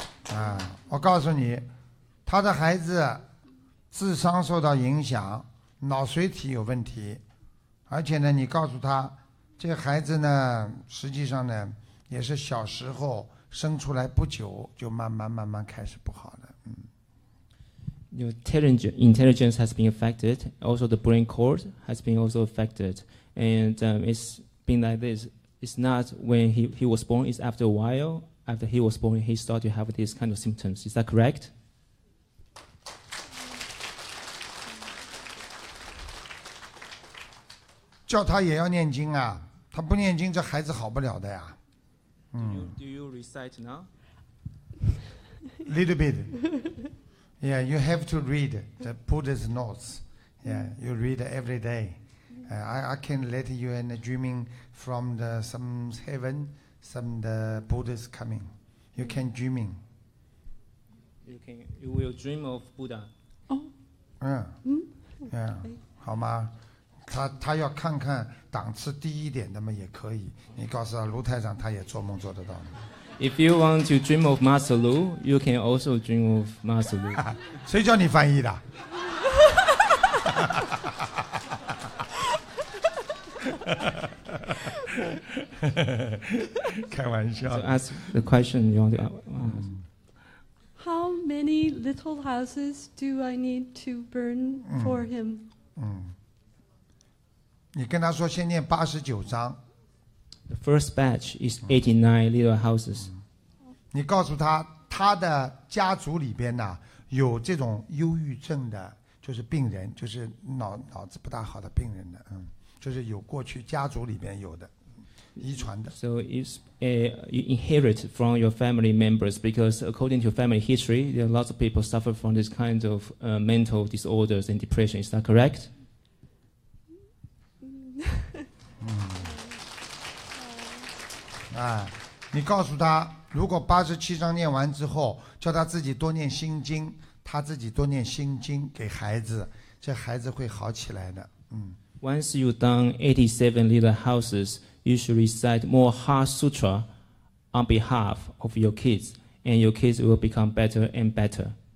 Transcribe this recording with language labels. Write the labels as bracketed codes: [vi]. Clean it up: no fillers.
[zh] 啊，我告诉你，他的孩子智商受到影响，脑髓体有问题，而且呢，你告诉他，这孩子呢，实际上呢，也是小时候生出来不久就慢慢开始不好了。 [en] Your intelligence has been affected. Also, the brain cord has been also affected. And it's been like this. It's not when he was born. It's after a while. After he was born, he started to have these kind of symptoms. Is that correct? [zh] 叫他也要念经啊！他不念经，这孩子好不了的呀。 [en] Do you recite now? Little bit. Yeah, you have to read the Buddhist notes. Yeah, you read every day. I can let you in a dreaming from the some heaven, some the Buddhist coming. You can dreaming. You will dream of Buddha. Oh. Yeah. Yeah. [zh] 好吗？他要看看档次低一点的嘛也可以。你告诉他卢台长，他也做梦做得到。 [en] If you want to dream of Master Lu, you can also dream of Master Lu. [zh] 谁叫你翻译的？开玩笑。 [en] So ask the question you want to ask. How many little houses do I need to burn for him? [zh] 你跟他说先念89章。 [en] The first batch is 89 little houses. [zh] 你告诉他，他的家族里边呢有这种忧郁症的，就是病人，就是脑子不大好的病人的，就是有过去家族里面有的遗传的。 [en] So it's you inherit from your family members because according to family history, there are lots of people suffer from this kind of mental disorders and depression. Is that correct? 嗯。 [zh] 哎，你告诉他，如果八十七章念完之后，叫他自己多念心经，他自己多念心经给孩子，这孩子会好起来的。嗯。 [en] Once you've done 87 little houses. You should recite more heart sutra on behalf of your kids, and your kids will become better and better.